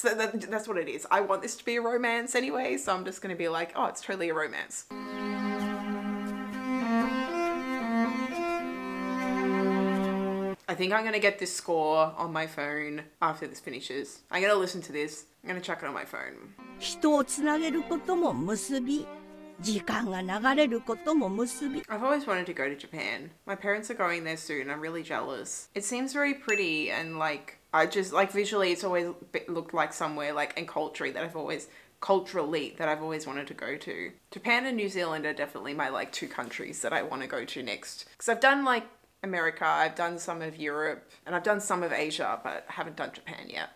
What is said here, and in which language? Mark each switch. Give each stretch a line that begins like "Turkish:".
English: That's what it is. I want this to be a romance anyway. So I'm just going to be like, oh, it's totally a romance. I think I'm going to get this score on my phone after this finishes. I'm going to listen to this. I'm going to check it on my phone.
Japanese: 人をつなげることも結び、時間が流れることも結び。
English: I've always wanted to go to Japan. My parents are going there soon. I'm really jealous. It seems very pretty and like, I just like visually it's always looked like somewhere like in culture that I've always, culturally that I've always wanted to go to. Japan and New Zealand are definitely my like two countries that I want to go to next. Because I've done like America, I've done some of Europe, and I've done some of Asia, but I haven't done Japan yet.